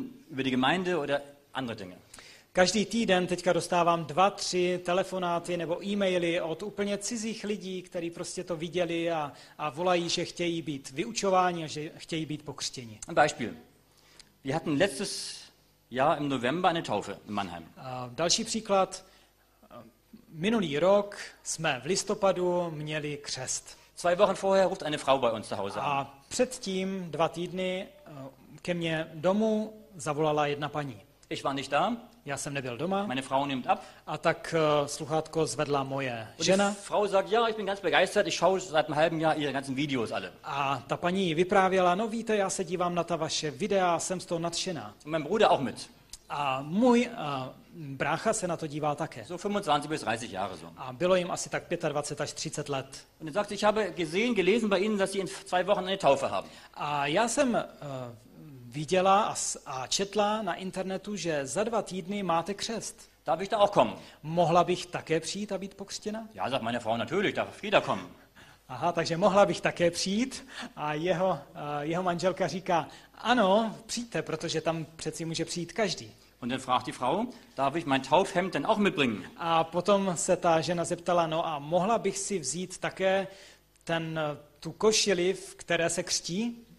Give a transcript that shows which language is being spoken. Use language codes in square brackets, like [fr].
[de] Über die Gemeinde oder andere Dinge. [cs] Každý týden teďka dostávám 2-3 telefonáty nebo e-maily od úplně cizích lidí, kteří prostě to viděli a volají, že chtějí být vyučováni a že chtějí být pokřtěni. [de] Ein Beispiel. Wir hatten letztes Jahr im November eine Taufe in Mannheim. [cs] Další příklad. Minulý rok jsme v listopadu měli křest. [de] Zwei Wochen vorher ruft eine Frau bei uns zu Hause an. [cs] A předtím 2 týdny ke mně domů zavolala jedna paní. [de] Ich war nicht da. [cs] Já jsem nebyl doma. [de] Meine Frau nimmt ab. [cs] A tak sluchátko zvedla moje žena. [de] Die Frau sagt, ja, ich bin ganz begeistert, ich schaue seit einem halben Jahr ihre ganzen Videos alle. [cs] A ta paní vyprávěla, no víte, já se dívám na ta vaše videa, jsem z toho nadšená. [de] Und mein Bruder auch mit. [cs] A můj brácha se na to dívá také. [de] So 25 bis 30 Jahre so. [cs] A bylo jim asi tak 25 až 30 let. [de] Und er sagt, ich habe gesehen, gelesen bei Ihnen, dass Sie in 2 Wochen eine Taufe haben. [cs] A já jsem viděla a četla na internetu, že za 2 týdny máte křest. [de] Darf ich da auch kommen? [cs] Mohla bych také přijít a být pokřtěna? [de] Ja, sagt meine Frau, natürlich, darf Frieda kommen. [cs] Aha, takže mohla bych také přijít a jeho manželka říká, ano, přijďte, protože tam přeci může přijít každý. [de] Und dann fragt die Frau, darf ich mein Taufhemd denn auch mitbringen? [cs] A potom se ta žena zeptala, no a mohla bych si vzít také tu košili, v které se křtí?